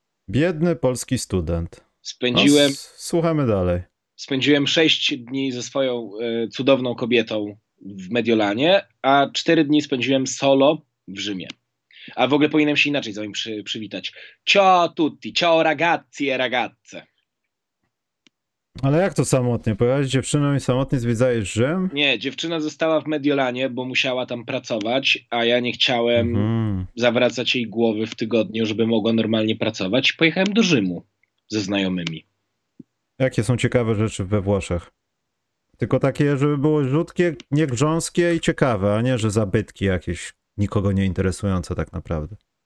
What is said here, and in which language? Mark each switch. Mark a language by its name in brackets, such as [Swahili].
[Polish] Biedny polski student. Spędziłem. No, słuchamy dalej. Spędziłem 6 dni ze swoją cudowną kobietą w Mediolanie, a 4 dni spędziłem solo w Rzymie. A w ogóle powinienem się inaczej z wami przywitać. [Italian] Ciao tutti, ciao ragazzi e ragazze. [Polish] Ale jak to samotnie? Pojechałeś z dziewczyną i samotnie zwiedzałeś Rzym? Nie, dziewczyna została w Mediolanie, bo musiała tam pracować, a ja nie chciałem zawracać jej głowy w tygodniu, żeby mogła normalnie pracować. Pojechałem do Rzymu ze znajomymi. Jakie są ciekawe rzeczy we Włoszech? Tylko takie, żeby były rzutkie, niegrząskie i ciekawe, a nie, że zabytki jakieś nikogo nie interesujące tak naprawdę.